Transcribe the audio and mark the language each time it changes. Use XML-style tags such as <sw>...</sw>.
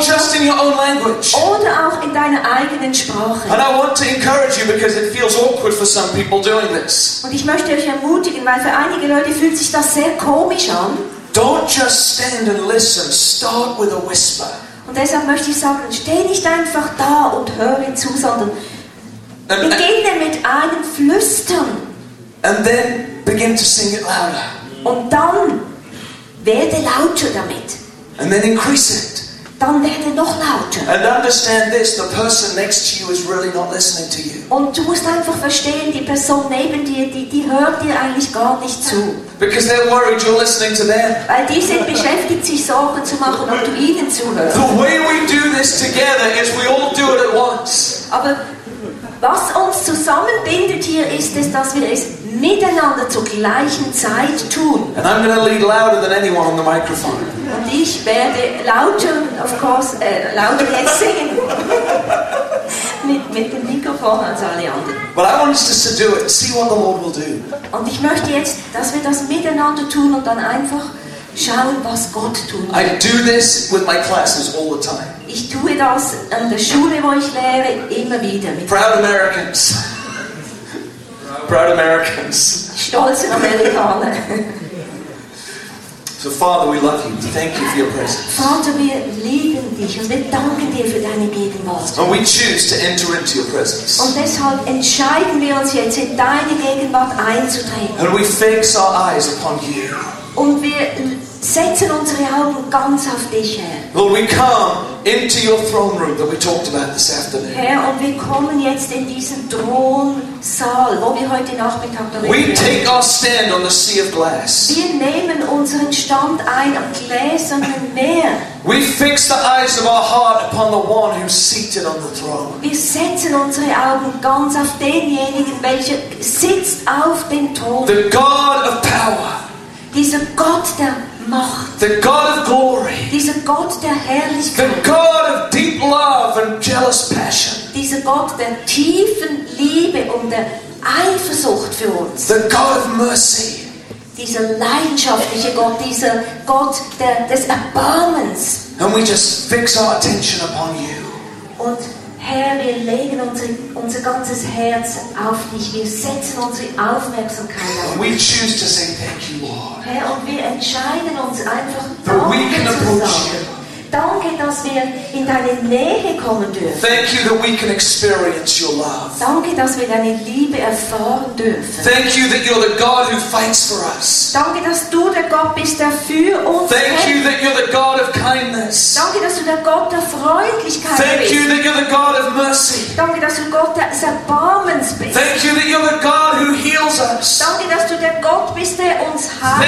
<en>Or just in your own language.</en> <de>Oder auch in deiner eigenen Sprache.</de> <en>And I want to encourage you because it feels awkward for some people doing this.</en> <de>Und ich möchte euch ermutigen, weil für einige Leute fühlt sich das sehr komisch an.</de> <en>Don't just stand and listen. Start with a whisper.</en> <de>Und deshalb möchte ich sagen, steh nicht einfach da und höre zu, sondern beginne mit einem Flüstern.</de> <en>And then begin to sing it louder.</en> <de>Und dann werde lauter damit.</de> <en>And then increase it.</en> <de>Dann werde noch lauter.</de> <en>And understand this, the person next to you is really not listening to you.</en> <de>Und du musst einfach verstehen, die Person neben dir, die hört dir eigentlich gar nicht zu.</de> <en>Because they're worried you're listening to them.</en> <de>Weil die sind beschäftigt, sich Sorgen zu machen, ob du ihnen zuhörst.</de> <en>The way we do this together is we all do it at once.</en> <de>Aber was uns zusammenbindet hier ist es, dass wir es miteinander zur gleichen Zeit tun.</de> <en>And I'm going to lead louder than anyone on the microphone.</en> <de>Und ich werde lauter,</de> <en>of course,</en> <de>lauter jetzt singen. mit dem Mikrofon als alle anderen.</de> <en>But I want us just to do it, see what the Lord will do.</en> <de>Und ich möchte jetzt, dass wir das miteinander tun und dann einfach schauen, was Gott tun will.</de> <en>I do this with my classes all the time.</en> <de>Ich tue das an der Schule, wo ich lehre, immer wieder.</de> <en>Proud Americans. Proud Americans.</en> <de>Stolze Amerikaner.</de> <en>So Father, we love you. Thank you for your presence.</en> <de>Vater, wir lieben dich und wir danken dir für deine Gegenwart.</de> <en>And we choose to enter into your presence.</en> <de>Und deshalb entscheiden wir uns jetzt, in deine Gegenwart einzutreten.</de> <en>And we fix our eyes upon you.</en> <de>Und wir setzen unsere Augen ganz auf dich, Herr.</de> <en>Lord, we come into your throne room that we talked about this afternoon.</en> <de>Herr, und wir kommen jetzt in diesen Thronsaal, wo wir heute Nachmittag darüber reden.</de> <en>We take our stand on the sea of glass.</en> <de>Wir nehmen unseren Stand ein am gläsernen Meer.</de> <en>We fix the eyes of our heart upon the one who's seated on the throne.</en> <de>Wir setzen unsere Augen ganz auf denjenigen, welcher sitzt auf dem Thron.</de> <en>The God of power.</en> <de>Dieser Gott der Macht.</de> <en>The God of glory.</en> <de>Dieser Gott der Herrlichkeit.</de> <en>The God of deep love and jealous passion.</en> <de>Dieser Gott der tiefen Liebe und der Eifersucht für uns.</de> <en>The God of mercy.</en> <de>Dieser leidenschaftliche Gott, dieser Gott des Erbarmens.</de> <en>And we just fix our attention upon you.</en> <de>Und Herr, wir legen unser ganzes Herz auf dich. Wir setzen unsere Aufmerksamkeit auf dich.</de> <en>We choose to say thank you, Lord.</en> <de>Herr, und wir entscheiden uns einfach, Danke zu sagen. Danke, dass wir in deine Nähe kommen dürfen.</de> <en>Thank you that we can experience your love.</en> <de>Danke, dass wir deine Liebe erfahren dürfen.</de> <en>Thank you that you're the God who fights for us.</en> <de>Danke, dass du der Gott bist, der für uns.</de> <en>Thank</en> <de>kämpft.</de> <en>You that you're the God of kindness.</en> <de>Danke, dass du der Gott der Freundlichkeit</de> <en>Thank</en> <de>bist.</de> <en>Thank you that you're the God of mercy.</en> <de>Danke, dass du Gott des Erbarmens bist.</de> <en>Thank you that you're the God who heals us.</en> <de>Danke, dass du der Gott bist, der uns heilt.</de>